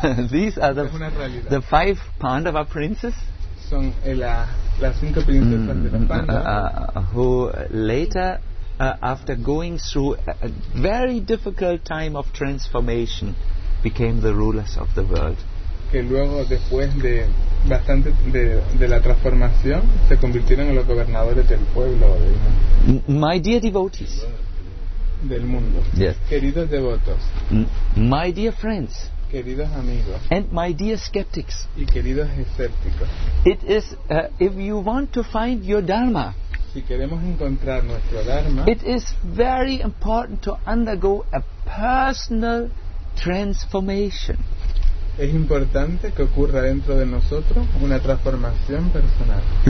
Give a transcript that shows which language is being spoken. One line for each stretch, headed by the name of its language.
English: These are the five Pandava princes.
Spanish: Son las cinco princesas de los Pandavas.
English: Who later, after going through a very difficult time of transformation, became the rulers of the world.
Spanish: Que luego, después de bastante de la transformación, se convirtieron en los gobernadores del pueblo.
English: My dear devotees.
Spanish: Del mundo.
English: Yes.
Spanish: Queridos devotos.
English: My dear friends.
Spanish: Queridos amigos.
English: And my dear skeptics.
Spanish: Y queridos escépticos.
English: It is if you want to find your dharma.
Spanish: Si queremos encontrar nuestro dharma.
English: It is very important to undergo a personal transformation.
Spanish: Es importante que ocurra dentro de nosotros una transformación personal.